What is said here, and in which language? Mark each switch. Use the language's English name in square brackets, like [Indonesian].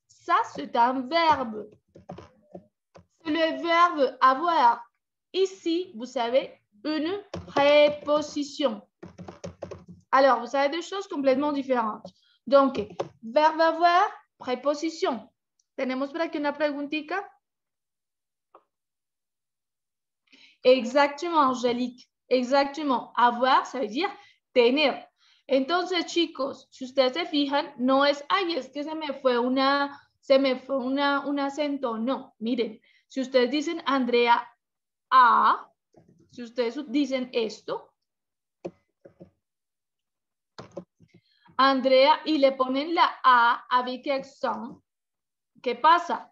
[French] Ça, c'est un verbe. C'est le verbe avoir. Ici, vous avez une préposition. Alors, vous avez deux choses complètement différentes. Donc, verbe avoir, préposition. [Spanish] Tenemos por aquí una preguntita. [French] Exactement, Angélique. Exactement. Avoir, ça veut dire tener. [Spanish] Entonces, chicos, si ustedes se fijan, no es, ay, es que se me fue un acento. No, miren, si ustedes dicen Andrea A, si ustedes dicen esto, Andrea, y le ponen la A [French] avec accent, [Spanish] ¿qué pasa?